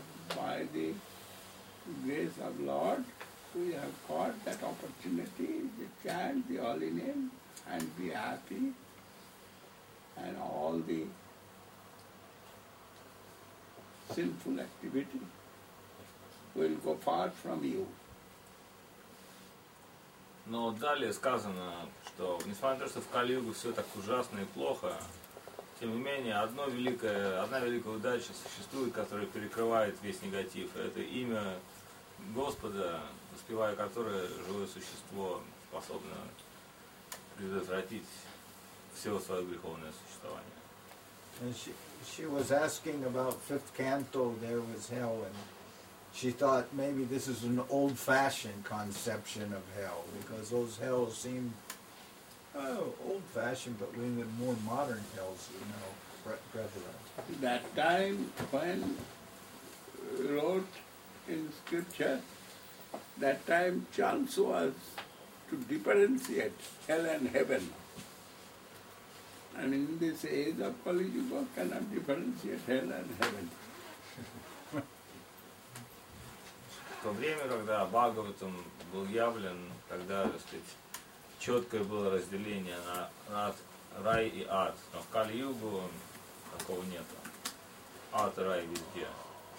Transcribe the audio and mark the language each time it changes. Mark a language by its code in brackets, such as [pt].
[en] But by the grace of Lord, we have got that opportunity to chant the holy name and be happy. And all the sinful activity will go far from you. [ru] Но далее сказано, что несмотря на то, что в Кали-Юге все так ужасно и плохо, тем не менее одна великая удача существует, которая перекрывает весь негатив. Это имя Господа, воспевая которое живое существо способно предотвратить все свое греховное существование. [en] She was asking about fifth canto, there was hell and... She thought maybe this is an old-fashioned conception of hell, because those hells seem old-fashioned, but we need more modern hells, you know, prevalent. That time when wrote in scripture, that time chance was to differentiate hell and heaven. And in this age of Kali Yuga, cannot differentiate hell and heaven. [ru] В то время, когда Бхагаватам был явлен, тогда, так сказать, четкое было разделение на рай и ад. Но в Кали-Югу такого нету. Ад и рай везде.